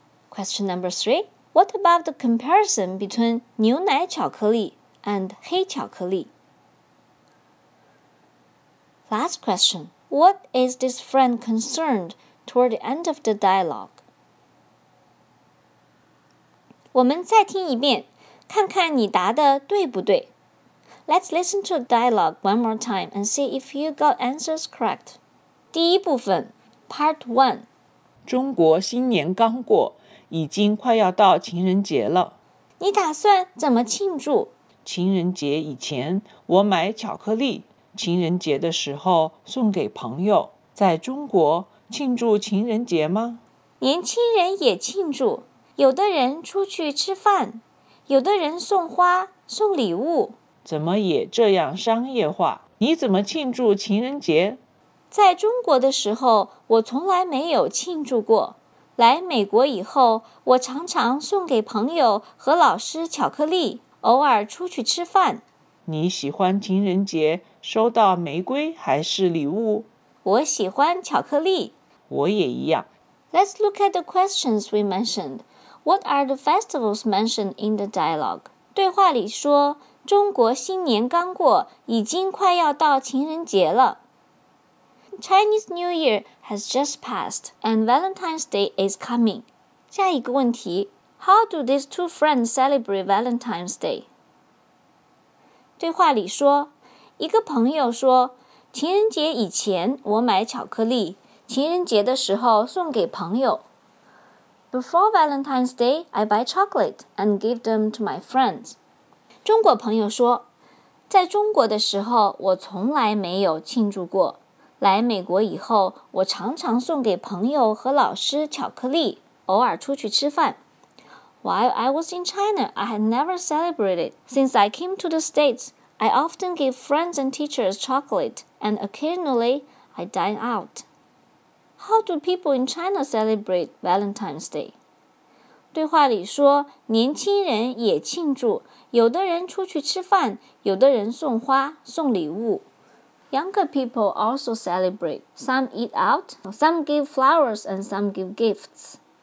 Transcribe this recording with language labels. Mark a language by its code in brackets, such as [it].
[en] Question number 3, what about the comparison between 牛奶巧克力 and 黑巧克力? Last question, what is this friend concerned toward the end of the dialogue? [zh] 我们再听一遍，看看你答的对不对。 [en] Let's listen to the dialogue one more time and see if you got answers correct. [zh] 第一部分 [en] Part 1 [zh] 中国新年刚过，已经快要到情人节了。你打算怎么庆祝？情人节以前，我买巧克力，情人节的时候送给朋友。在中国，庆祝情人节吗？年轻人也庆祝，有的人出去吃饭，有的人送花，送礼物。怎么也这样商业化？你怎么庆祝情人节？在中国的时候，我从来没有庆祝过。来美国以后，我常常送给朋友和老师巧克力，偶尔出去吃饭。你喜欢情人节收到玫瑰还是礼物？我喜欢巧克力。我也一样。 [en] Let's look at the questions we mentioned. What are the festivals mentioned in the dialogue? [zh] 对话里说，中国新年刚过，已经快要到情人节了。 [en] Chinese New Year has just passed, and Valentine's Day is coming. [zh] 下一个问题 [en] How do these two friends celebrate Valentine's Day? [zh] 对话里说，一个朋友说，情人节以前我买巧克力，情人节的时候送给朋友。 [en] Before Valentine's Day, I buy chocolate and give them to my friends. [zh] 中国朋友说，在中国的时候我从来没有庆祝过。来美国以后，我常常送给朋友和老师巧克力，偶尔出去吃饭。 [en] While I was in China, I had never celebrated. Since I came to the States, I often give friends and teachers chocolate, and occasionally, I dine out. How do people in China celebrate Valentine's Day? [zh] 对话里说，年轻人也庆祝，有的人出去吃饭，有的人送花，送礼物。 [en] Younger people also celebrate. Some eat out, some give flowers, and some give gifts.